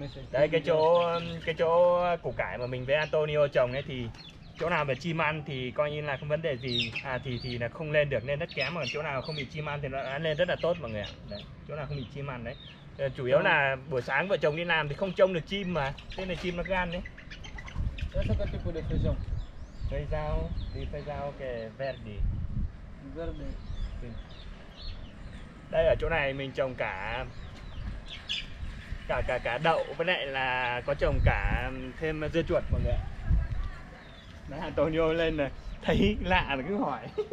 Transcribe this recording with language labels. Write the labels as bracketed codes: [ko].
[vi] Đây cái chỗ củ cải mà mình với Antonio trồng ấy thì chỗ nào mà chim ăn thì coi như là không vấn đề gì à, thì là không lên được, nên rất kém, mà chỗ nào không bị chim ăn thì nó đã lên rất là tốt mọi người ạ. Đấy, chỗ nào không bị chim ăn đấy, chủ yếu là buổi sáng vợ chồng đi làm thì không trông được chim, mà thế là chim nó gan đấy. [pt] Essa que tipo de feijão? Feijão thì feijão que verde. Verde. [vi] Đây ở chỗ này mình trồng cả đậu, với lại là có trồng cả thêm dưa chuột mọi người ạ. Đấy, Antonio lên này, thấy lạ là cứ hỏi.